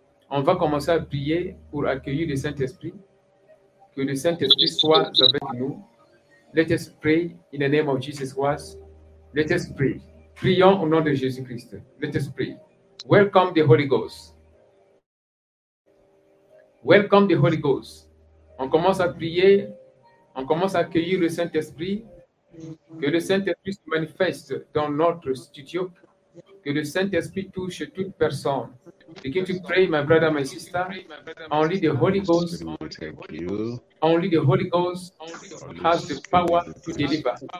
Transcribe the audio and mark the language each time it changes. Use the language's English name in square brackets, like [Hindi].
[French] On va commencer à prier pour accueillir le Saint-Esprit. Que le Saint-Esprit soit avec nous. [English] Let us pray in the name of Jesus Christ. Let us pray. [French] Prions au nom de Jésus-Christ. [English] Let us pray. Welcome the Holy Ghost. Welcome the Holy Ghost. [French] On commence à prier, on commence à accueillir le Saint-Esprit Que le Saint-Esprit se manifeste dans notre studio. Que le Saint-Esprit touche toute personne. [English] Begin to pray, my brother, my sister. Only the Holy Ghost. Only the Holy Ghost has the power to deliver.